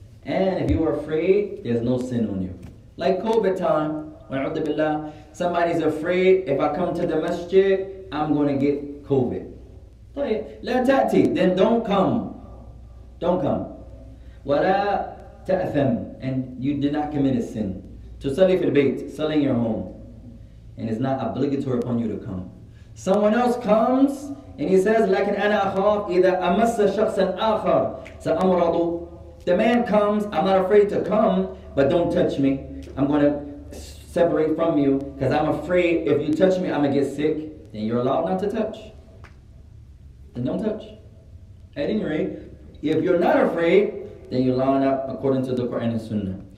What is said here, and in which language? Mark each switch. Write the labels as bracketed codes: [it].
[en] And if you are afraid, there's no sin on you. Like COVID time, wa'udhu billah, somebody's afraid, if I come to the masjid, I'm going to get COVID. [ar] لا تأتي, [en] then don't come. Don't come. [ar] ولا تأثم, [en] and you did not commit a sin. To So [ar] sali fil bayt, [en] sali in your home. And it's not obligatory upon you to come. Someone else comes and he says, [ar] لكن أنا أخاف إذا أمس شخصا آخر سأمرض. [en] The man comes, I'm not afraid to come, but don't touch me. I'm going to separate from you because I'm afraid if you touch me, I'm going to get sick. Then you're allowed not to touch. Then don't touch. At any rate, if you're not afraid, then you're allowed not according to the Quran and Sunnah.